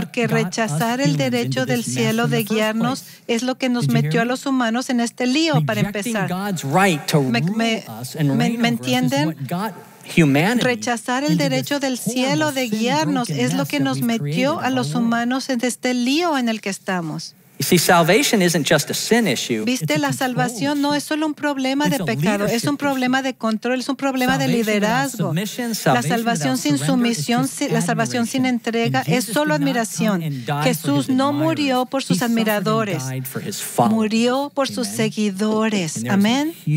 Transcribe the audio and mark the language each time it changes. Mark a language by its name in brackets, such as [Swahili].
[Spanish] Porque rechazar el derecho del cielo de guiarnos es lo que nos metió a los humanos en este lío [English] Rejecting [Spanish] para empezar. [English] God's right to rule us and reign [Spanish] ¿Me entienden? Rechazar el derecho del cielo de guiarnos es lo que nos metió a los humanos en este lío en el que estamos. [English] You see, salvation isn't just a sin issue. [Spanish] Viste, la salvación no es solo un problema de pecado, es un problema de control, es un problema de liderazgo. La salvación sin sumisión, la salvación sin entrega es solo admiración. Jesús no murió por sus admiradores, murió por sus seguidores. Amén.